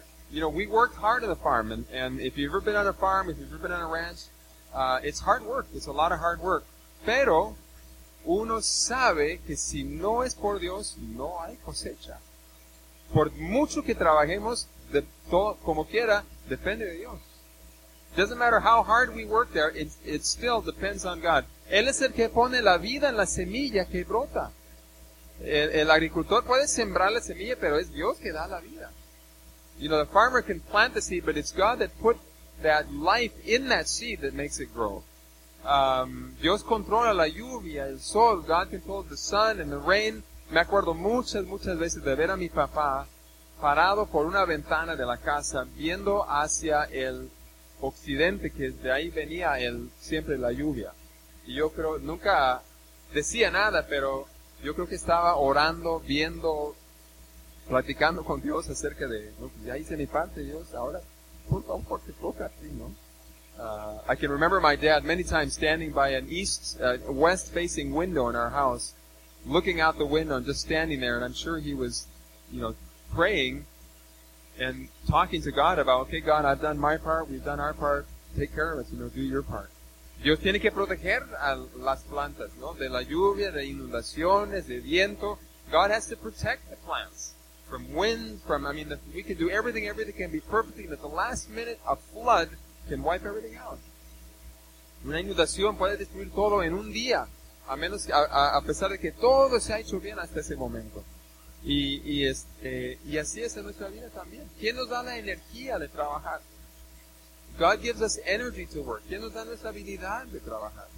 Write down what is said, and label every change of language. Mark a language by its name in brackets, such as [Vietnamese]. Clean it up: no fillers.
[English] You know, we work hard on the farm. And if you've ever been on a farm, if you've ever been on a ranch, it's hard work. It's a lot of hard work. [Spanish] Pero uno sabe que si no es por Dios, no hay cosecha. Por mucho que trabajemos, de todo, como quiera, depende de Dios. [English] Doesn't matter how hard we work there, it still depends on God. [Spanish] Él es el que pone la vida en la semilla que brota. El agricultor puede sembrar la semilla, pero es Dios que da la vida. [English] You know, the farmer can plant the seed, but it's God that put that life in that seed that makes it grow. [Spanish] Dios controla la lluvia, el sol. [English] God controls the sun and the rain. [Spanish] Me acuerdo muchas, muchas veces de ver a mi papá parado por una ventana de la casa, viendo hacia el occidente, que de ahí venía siempre la lluvia. Y yo creo, nunca decía nada, pero yo creo que estaba orando, viendo, platicando con Dios acerca de, ¿no? Pues ya hice mi parte, Dios, ahora, por favor, te toca a ti, ¿no? [English] I can remember my dad many times standing by an west-facing window in our house, looking out the window and just standing there, and I'm sure he was, you know, praying and talking to God about, okay, God, I've done my part, we've done our part, take care of us, you know, do your part. [Spanish] Dios tiene que proteger a las plantas, ¿no? De la lluvia, de inundaciones, de viento. [English] God has to protect the plants from wind, we can do everything can be perfectly, and at the last minute, a flood can wipe everything out. [Spanish] Una inundación puede destruir todo en un día, a menos que, a pesar de que todo se ha hecho bien hasta ese momento. Y así es en nuestra vida también. ¿Quién nos da la energía de trabajar? [English] God gives us energy to work. [Spanish] ¿Quién nos da nuestra habilidad de trabajar?